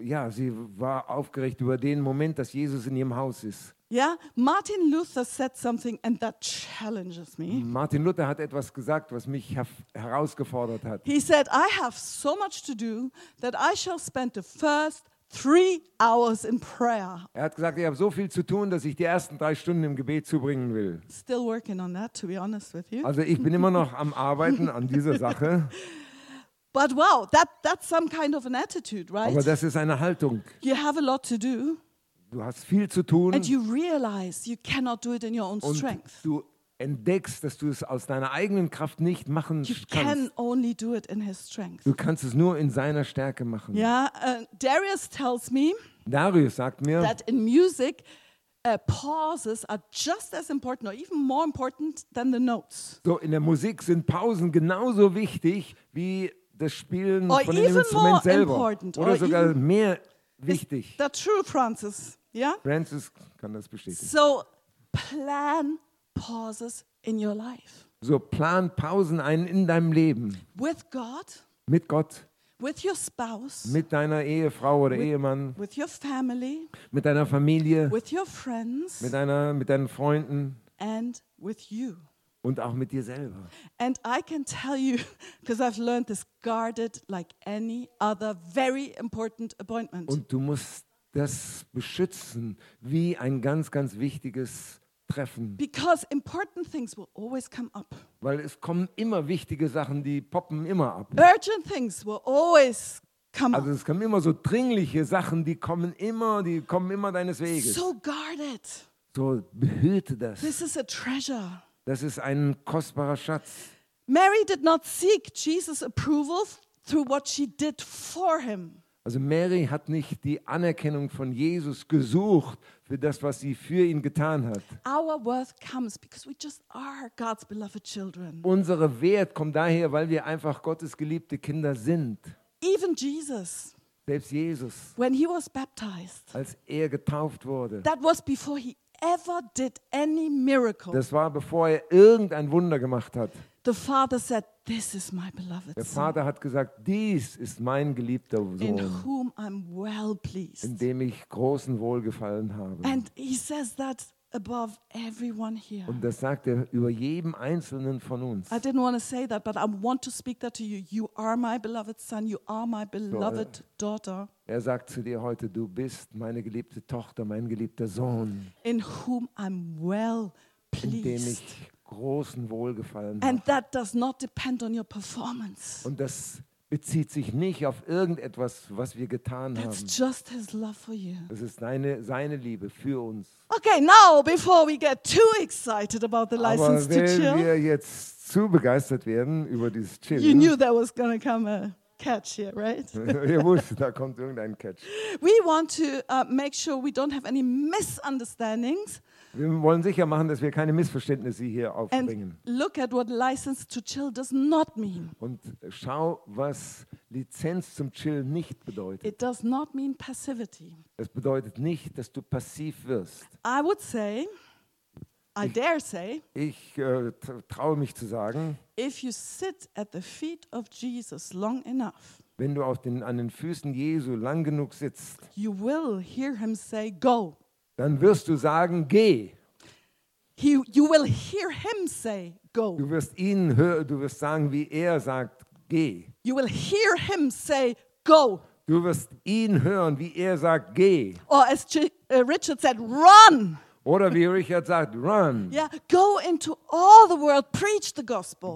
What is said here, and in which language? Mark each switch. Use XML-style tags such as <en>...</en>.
<de>Sie war aufgeregt über den Moment, dass Jesus in ihrem Haus ist.</de> <en>Yeah, Martin Luther said something and that challenges me.</en> <de>Martin Luther hat etwas gesagt, was mich herausgefordert hat.</de> <en>He said, I have so much to do that I shall spend the first 3 hours in prayer.</en> <de>Er hat gesagt, ich habe so viel zu tun, dass ich die ersten 3 Stunden im Gebet zubringen will.</de> <en>Still working on that, to be honest with you.</en> <de>Also ich bin immer noch am Arbeiten an dieser Sache.</de> <en>But wow, that's some kind of an attitude, right?</en> <de>Aber das ist eine Haltung.</de> <en>You have a lot to do.</en> <de>Du hast viel zu tun.</de> <en>And you realize you cannot do it in your own strength.</en> <de>Und du entdeckst, dass du es aus deiner eigenen Kraft nicht machen</de> <en>you</en> <de>kannst.</de> <en>Can only do it in his strength.</en> <de>Du kannst es nur in seiner Stärke machen.</de> <en>Yeah, Darius tells me.</en> <de>Darius sagt mir,</de> <en>that in music pauses are just as important or even more important than the notes.</en> <de>So in der Musik sind Pausen genauso wichtig wie das Spielen</de> <en>or</en> <de>von dem Instrument selber oder sogar mehr wichtig.</de> <en>Is that true, Francis? Yeah?</en> <de>Francis kann das bestätigen.</de> <en>So plan pauses in your life.</en> <de>So plan Pausen ein in deinem Leben.</de> <en>With God.</en> <de>Mit Gott.</de> <en>With your spouse.</en> <de>Mit deiner Ehefrau oder Ehemann.</de> <en>With your family.</en> <de>Mit deiner Familie.</de> <en>With your friends.</en> <de>Mit deinen Freunden.</de> <en>And with you.</en> <de>Und auch mit dir selber.</de> <en>And I can tell you, because I've learned this, guarded like any other very important appointment.</en> <de>Und du musst das beschützen wie ein ganz, ganz wichtiges Treffen.</de> <en>Because important things will always come up.</en> <de>Weil es kommen immer wichtige Sachen, die poppen immer ab.</de> <en>Urgent things will always come up.</en> <de>Also es kommen immer so dringliche Sachen, die kommen immer deines Weges.</de> <en>So guard it.</en> <de>So behüte das.</de> <en>This is a treasure.</en> <de>Das ist ein kostbarer Schatz.</de> <en>Mary did not seek Jesus' approval through what she did for him.</en> <de>Also Mary hat nicht die Anerkennung von Jesus gesucht für das, was sie für ihn getan hat.</de> <en>Our worth comes because we just are God's beloved children.</en> <de>Unsere Wert kommt daher, weil wir einfach Gottes geliebte Kinder sind.</de> <en>Even Jesus.</en> <de>Selbst Jesus.</de> <en>When he was baptized.</en> <de>Als er getauft wurde.</de> <en>That was before he ever did any miracle.</en> <de>Das war, bevor er irgendein Wunder gemacht hat.</de> <en>The Father said, "This is my beloved son."</en> <de>Der Vater hat gesagt, dies ist mein geliebter Sohn.</de> <en>In whom I'm well pleased.</en> <de>In dem ich großen Wohlgefallen habe.</de> <en>And he says that above everyone here.</en> <de>Und das sagt er über jedem einzelnen von uns.</de> <en>I didn't want to say that, but I want to speak that to you. You are my beloved son. You are my beloved daughter.</en> <de>Er sagt zu dir heute, du bist meine geliebte Tochter, mein geliebter Sohn.</de> <en>In whom I'm well pleased.</en> <de>In dem ich großen Wohlgefallen.</de> <en>And that does not depend on your performance.</en> <de>Und das bezieht sich nicht auf irgendetwas, was wir getan</de> <en>That's</en> <de>haben.</de> <en>Just his love for you.</en> <de>Das ist seine Liebe für uns.</de> <en>Okay, now before we get too excited about the license to chill.</en> <de>Aber wenn wir jetzt zu begeistert werden über dieses Chili.</de> <en>You knew there was gonna come a catch here, right?</en> <de>Ihr wusstet, da kommt irgendein Catch.</de> <en>We want to make sure we don't have any misunderstandings.</en> <de>Wir wollen sicher machen, dass wir keine Missverständnisse hier aufbringen.</de> <en>And look at what license to chill does not mean.</en> <de>Und schau, was Lizenz zum Chill nicht bedeutet.</de> <en>It does not mean passivity.</en> <de>Es bedeutet nicht, dass du passiv wirst.</de> <en>I would say, I dare say,</en> <de>ich traue mich zu sagen,</de> <en>if you sit at the feet of Jesus long enough,</en> <de>wenn du an den Füßen Jesu lang genug sitzt,</de> <en>you will hear him say, go.</en> <de>Dann wirst du sagen, geh.</de> <en>You will hear him say, go.</en> <de>Du wirst ihn hören, du wirst sagen, wie er sagt, geh.</de> <en>You will hear him say, go.</en> <de>Du wirst ihn hören, wie er sagt, geh.</de> <en>Or as Richard said, run.</en> <de>Oder wie Richard sagt, run.</de> <en>Yeah, go into all the world, preach the gospel.</en>